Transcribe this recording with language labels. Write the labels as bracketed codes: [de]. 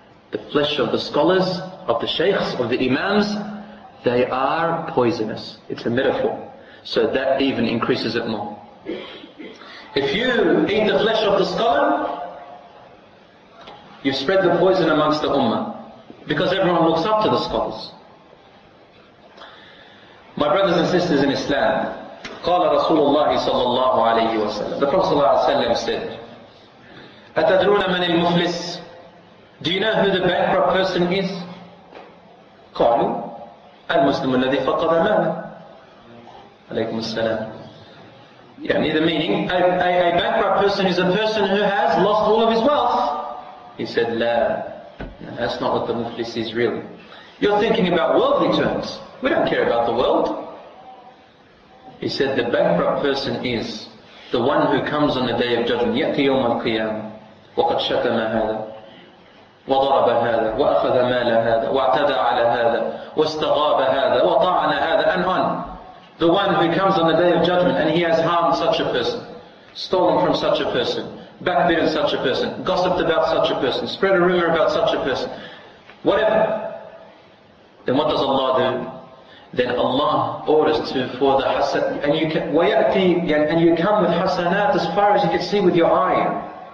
[en] The flesh of the scholars, of the sheikhs, of the imams, they are poisonous. It's a metaphor. So that even increases it more. If you eat the flesh of the scholar, you spread the poison amongst the ummah. Because everyone looks up to the scholars. My brothers and sisters in Islam, [ar] قال رسول الله صلى الله عليه وسلم, [en] the Prophet [ar] صلى الله عليه وسلم [en] said, [ar] أتدرون من المفلس. [en] Do you know who the bankrupt person is? [ar] قالوا المسلم الذي فقد ماله. عليكم السلام. [en] يعني the meaning, a bankrupt person is a person who has lost all of his wealth. He said, لا. That's not what the muflis is really. You're thinking about worldly terms. We don't care about the world. He said, the bankrupt person is the one who comes on the day of judgment, [ar] يأتي يوم القيامة وقد شتم هذا وضرب هذا وأخذ مال هذا واعتدى على هذا واستغاب هذا وطعن هذا [en] and on. The one who comes on the day of judgment and he has harmed such a person, stolen from such a person, backbitten such a person, gossiped about such a person, spread a rumor about such a person, whatever. Then what does Allah do? Then Allah orders to for the hasan, and you can wayati, and you come with hasanat as far as you can see with your eye.